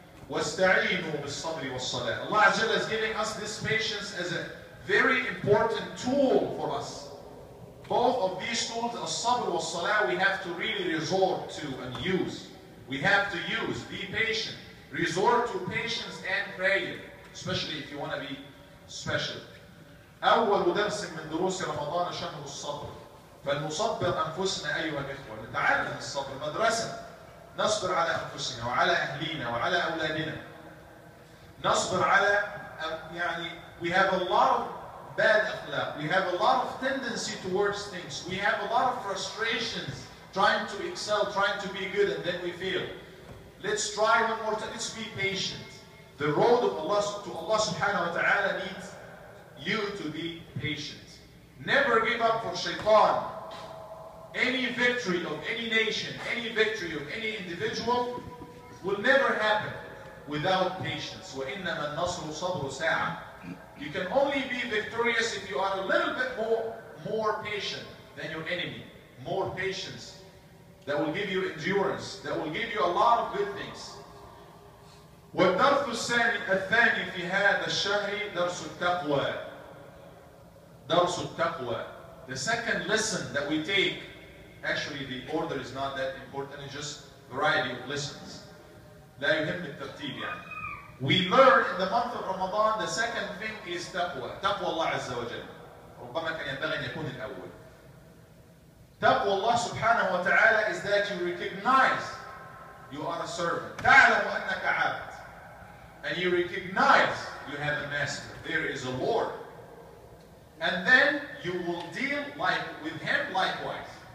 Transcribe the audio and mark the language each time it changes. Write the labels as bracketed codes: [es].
[ar] وَاسْتَعِينُوا بِالصَّبْرِ وَالصَّلَاةِ [en] Allah Azzele is giving us this patience as a very important tool for us. Both of these tools, [ar] as-sabr wa salah, [en] we have to really resort to and use. We have to use, be patient. Resort to patience and prayer, especially if you want to be special. [ar] أول درس من دروس رمضان شهر الصبر فلنصبر أنفسنا أيها الإخوة نتعلم الصبر مدرسة نصبر على أنفسنا وعلى أهلينا وعلى أولادنا نصبر على يعني [en] We have a lot of bad akhlaq. We have a lot of tendency towards things. We have a lot of frustrations trying to excel, trying to be good, and then we fail. Let's try one more time. Let's be patient. The road of Allah to Allah subhanahu wa ta'ala needs you to be patient. Never give up for shaitan. Any victory of any nation, any victory of any individual will never happen without patience. [ar] وَإِنَّمَا النَّصْرُ صَبْرُ سَاعَةٍ [en] You can only be victorious if you are a little bit more patient than your enemy. More patience. That will give you endurance. That will give you a lot of good things. [ar] والدرس الثاني في هذا الشهر درس التقوى. درس التقوى. [en] The second lesson that we take, actually the order is not that important, it's just variety of lessons. [ar] لا يهم الترتيب يعني. [en] We learn in the month of Ramadan, the second thing is taqwa. Taqwa Allah Azza wa Jalla. [ar] ربما كان ينبغي أن يكون الأول. [en] Taqwa Allah Subhanahu wa Ta'ala is that you recognize you are a servant. [ar] تعلم أنك عبد. [en] And you recognize you have a master. There is a Lord. And then you will deal like with him likewise.